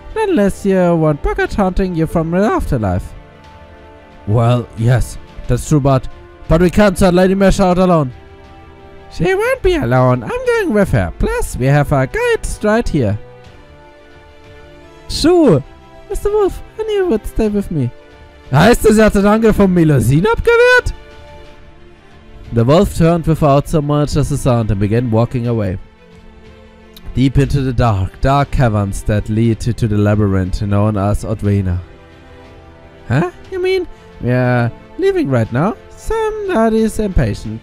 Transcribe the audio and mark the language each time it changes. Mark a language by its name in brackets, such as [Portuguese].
[English] Not unless you want Bogart haunting you from the afterlife. Well, yes, that's true, but we can't send Lady Mesh out alone. She won't be alone. I'm going with her. Plus, we have a guide right here. Sure. Mr. Wolf, I knew you would stay with me. [German] Heißt das, er hat den Angriff von Melusine abgewehrt? [English] The wolf turned without so much as a sound and began walking away. Deep into the dark caverns that lead to the labyrinth known as Odwena. Huh? You mean we are leaving right now? Some lad is impatient.